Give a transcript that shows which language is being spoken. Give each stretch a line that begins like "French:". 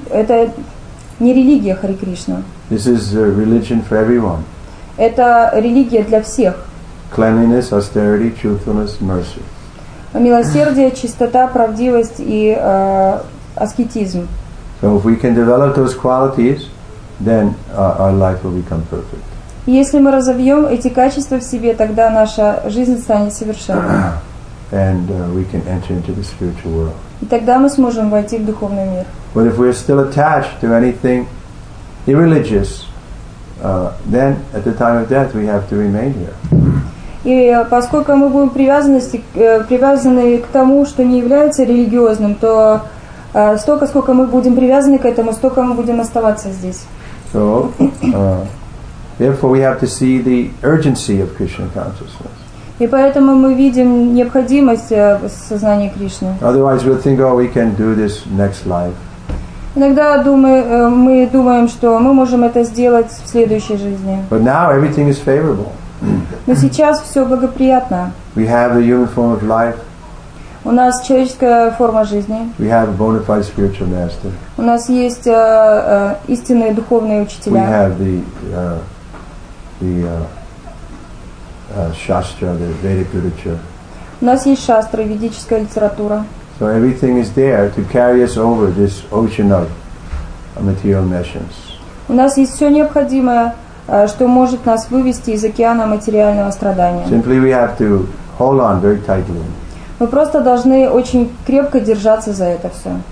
Russian: Это не религия Харе Кришна.
English: This is a religion for everyone.
Russian: Это религия для всех.
English: Cleanliness, austerity, truthfulness, mercy.
Russian: Милосердие, чистота, правдивость и аскетизм.
English: So if we can develop those qualities, then our life will become perfect.
Russian: Если мы разовьем эти качества в себе, тогда наша жизнь станет совершенной.
English: And we can enter into the spiritual world.
Russian: И тогда мы сможем войти в духовный мир.
English: But if we're still attached to anything irreligious, then at the time of death we have to remain here.
Russian: И поскольку мы будем привязаны к тому, что не является религиозным, то столько, сколько мы будем привязаны к этому, столько мы будем оставаться здесь.
English: So, therefore we have to see the urgency of Krishna consciousness.
Russian: И поэтому мы видим необходимость сознания Кришны.
English: Otherwise we'll think, oh, we can do this next life.
Russian: Иногда мы думаем, что мы можем это сделать в следующей жизни.
English: But now everything is favorable.
Russian: Но сейчас все благоприятно.
English: We have a human form of life.
Russian: У нас человеческая форма жизни.
English: We have a bona fide spiritual master.
Russian: У нас есть истинные духовные учителя.
English: We have the shastra, the Vedic literature.
Russian: У нас есть шастра, ведическая литература.
English: So everything is there to carry us over this ocean of material emotions.
Russian: У нас есть все необходимое, что может нас вывести из океана материального страдания.
English: Simply we have to hold on very tightly.
Russian: Мы просто должны очень крепко держаться за это все.